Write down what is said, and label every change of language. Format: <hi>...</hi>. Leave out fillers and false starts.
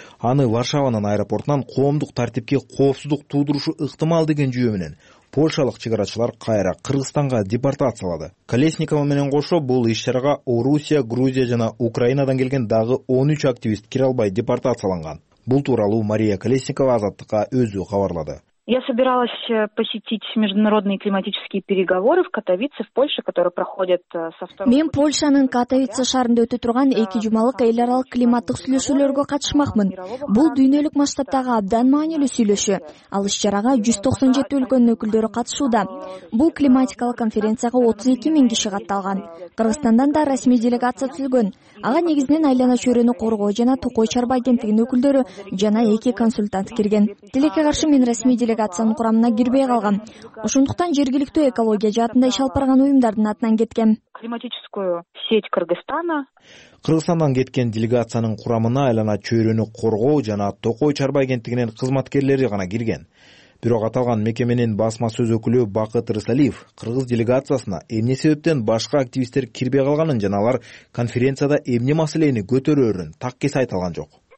<ky>Аны Варшаванын аэропортунан коомдук тартипке коопсуздук туудурушу ыктымал деген жүйө менен польшалык чек арачылар кайра Кыргызстанга депортациялады. Колесникова менен кошо бул иш чарага Орусия, Грузия жана Украинадан келген дагы 13 активист кире албай депортацияланган. Бул тууралуу Мария Колесникова Азаттыкка өзү кабарлады.</ky> <ru>Я собиралась посетить международные климатические переговоры в Катовице, в Польше, которые проходят со второго.</ru> <ky>Мен Польшанын Катовице шаарында өтө турган 2 жумалык эл аралык климаттык сүйлөшүүлөргө катышмакмын. Бул дүйнөлүк масштабтагы абдан маанилүү сүйлөшү. Ал иш-чарага 197 өлкөнүн өкүлдөрү катышууда. Бул климатикалык конференцияга 32 000 киши катталган. Кыргызстандан да расмий делегация түзүлгөн. Ага негизинен айлана чөйрөнү коргоо жана токой чарба агенттигинин өкүлдөрү жана эки консультант кирген. Тилекке каршы мен расмий делегациянын курамына кирбей калган. Ошондуктан жергиликтүү экология жаатында иш алып барган уюмдардын атынан кеткен.</ky> <ru>Климатическую сеть Кыргызстана.</ru> <ky>Кыргызстандан кеткен делегациянын курамына айлана чөйрөнү коргоо жана Токой чарба агенттигинин кызматкерлери гана кирген. Бирок аталган мекеменин басма сөз өкүлү Бакыт Рысалиев кыргыз делегациясына эмне себептен башка активисттер кирбей калганын жана алар конференцияда эмне маселени көтөрөөрүн так кесе айта алган жок.</ky>